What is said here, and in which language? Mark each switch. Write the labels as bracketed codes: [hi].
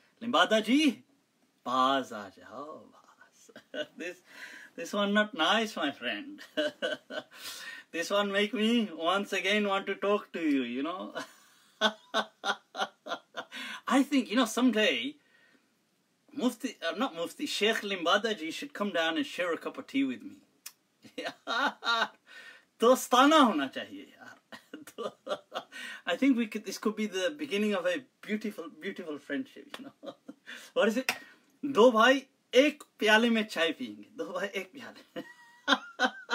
[en] Limbada ji, [ur] baaz aa jao, baaz. [en] This one not nice, my friend. This one make me once again want to talk to you, you know? I think, you know, someday, Sheikh Limbadaji should come down and share a cup of tea with me. [ur] دوستانہ ہونا چاہیے یار. [en] I think this could be the beginning of a beautiful, beautiful friendship, you know? What is it? [ur] دو بھائی ایک پیالے میں چائے پیئیں گے. دو بھائی ایک پیالے.